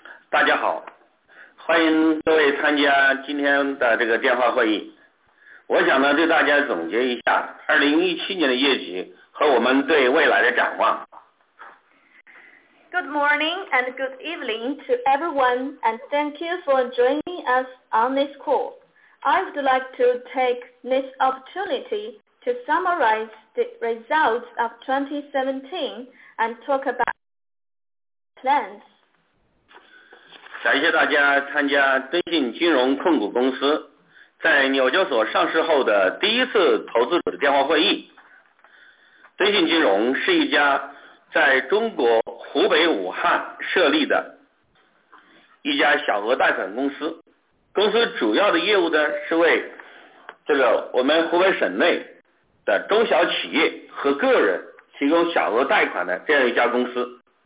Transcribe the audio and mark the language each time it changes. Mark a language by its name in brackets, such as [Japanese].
[Chinese] 大家好，欢迎各位参加今天的这个电话会议。我想呢，对大家总结一下2017年的业绩和我们对未来的展望。 [English] Good morning and good evening to everyone, and thank you for joining us on this call. I would like to take this opportunity to summarize the results of 2017 and talk about plans. [Chinese] 感谢大家参加敦信金融控股公司在纽交所上市后的第一次投资者的电话会议。敦信金融是一家在中国湖北武汉设立的一家小额贷款公司，公司主要的业务呢是为这个我们湖北省内的中小企业和个人提供小额贷款的这样一家公司。